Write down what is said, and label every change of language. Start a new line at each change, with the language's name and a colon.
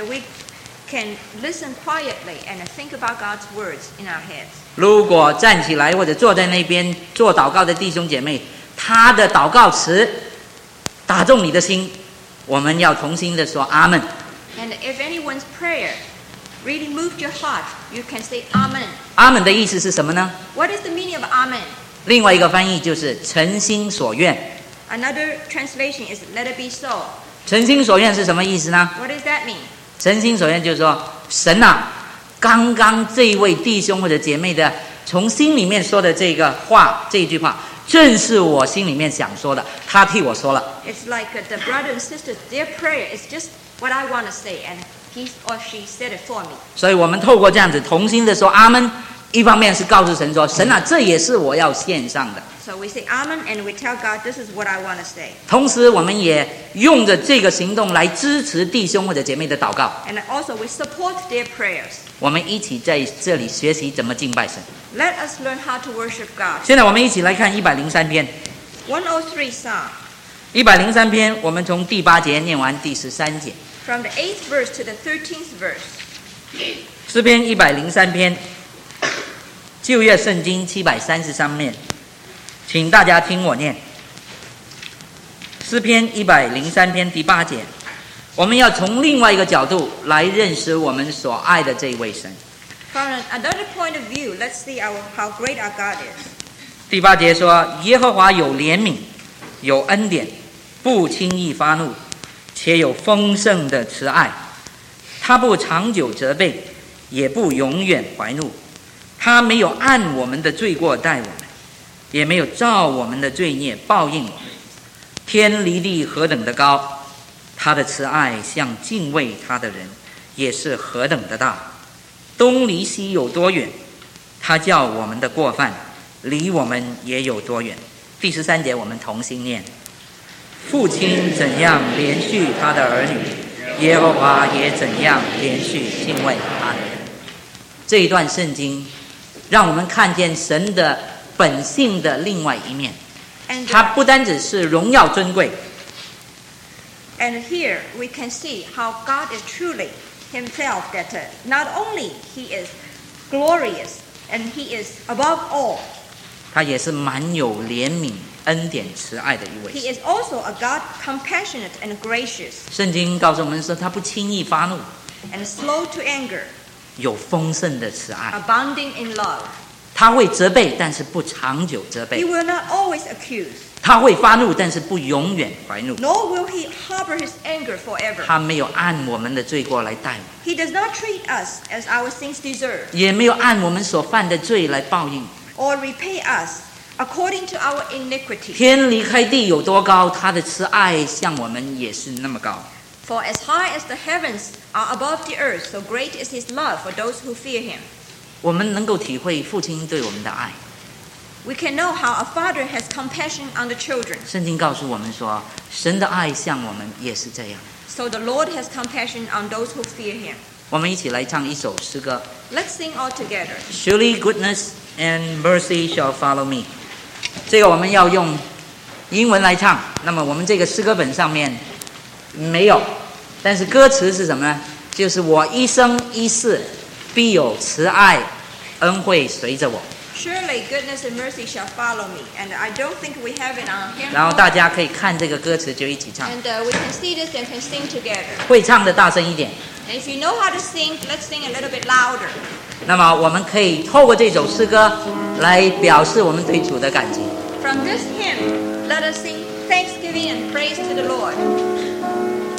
English: we can listen quietly and think about God's words in our heads.
Chinese: 如果站起来或者坐在那边做祷告的弟兄姐妹，他的祷告词打中你的心。我们要重新的说阿们。
English: And if anyone's prayer really moved your heart, you can say amen.
Chinese: 阿们的意思是什么呢？
English: What is the meaning of amen?
Chinese: 另外一个翻译就是诚心所愿。
English: Another translation is let it be so.
Chinese: 诚心所愿是什么意思呢？
English: What does that mean?
Chinese: 诚心所愿就是说，神啊，刚刚这位弟兄或者姐妹的从心里面说的这个话，这一句话正是我心里面想说的，他替我说了。
English: It's like the brother and sister, their prayer is just what I want to say, and he or she said it for me.
Chinese: 所以我们透过这样子同心的说阿们，一方面是告诉神说，神啊，这也是我要献上的。
English: So we say Amen, and we tell God, this is what I want to say.
Chinese: 同时，我们也用着这个行动来支持弟兄或者姐妹的祷告。
English: And also, we support their prayers.
Chinese: 我们一起在这里学习怎么敬拜神。
English: Let us learn how to worship God.
Chinese: 现在我们一起来看103篇。
English: 103 Psalm.
Chinese: 103篇，我们从第八节念完第十三节。
English: From the 8th verse to the 13th verse.
Chinese: 诗篇103篇。旧约圣经733面，请大家听我念诗篇103篇第八节。我们要从另外一个角度来认识我们所爱的这位神。
English: From another point of view, let's see how great our God is.
Chinese: 第八节说，耶和华有怜悯，有恩典，不轻易发怒，且有丰盛的慈爱，他不长久责备，也不永远怀怒，他没有按我们的罪过待我们，也没有照我们的罪孽报应我们。天离地何等的高，他的慈爱像敬畏他的人也是何等的大。东离西有多远，他叫我们的过犯离我们也有多远。第十三节我们同心念，父亲怎样连续他的儿女，耶和华也怎样连续敬畏他的人。这一段圣经让我们看见神的本性的另外一面，他不单只是荣耀尊贵。
English: And here we can see how God is truly himself, that not only he is glorious and he is above all,
Chinese: 他也是满有怜悯恩典慈爱的一位。
English: He is also a God compassionate and gracious.
Chinese: 圣经告诉我们说他不轻易发怒，
English: and slow to anger.
Chinese: 有丰盛的慈爱，
English: abounding in love.
Chinese: 他会责备，但是不长久责备。
English: He will not always accuse.
Chinese: 他会发怒，但是不永远怀怒。
English: Nor will he harbor his anger forever.
Chinese: 他没有按我们的罪过来待我们。
English: He does not treat us as our sins deserve.
Chinese: 也没有按我们所犯的罪来报应。
English: Or repay us according to our iniquity.
Chinese: 天离开地有多高，他的慈爱向我们也是那么高。
English: For as high as the heavens are above the earth, so great is his love for those who fear him.
Chinese: 我们能够体会父亲对我们的爱。
English: We can know how a father has compassion on the children.
Chinese: 圣经告诉我们说，神的爱向我们也是这样。
English: So the Lord has compassion on those who fear him.
Chinese: 我们一起来唱一首诗歌。
English: Let's sing all together. Surely goodness and mercy shall follow me.
Chinese: 这个我们要用英文来唱。那么我们这个诗歌本上面没有，但是歌词是什么呢？就是我一生一世必有慈爱恩惠随着我。
English: Surely goodness and mercy shall follow me, and I don't think we have it on hymn.
Chinese: 然后大家可以看这个歌词就一起唱。
English: And we can see this and can sing together.
Chinese: 会唱的大声一点。
English: And if you know how to sing, let's sing a little bit louder.
Chinese: 那么我们可以透过这首诗歌来表示我们对主的感激。
English: From this hymn, let us sing thanksgiving and praise to the Lord.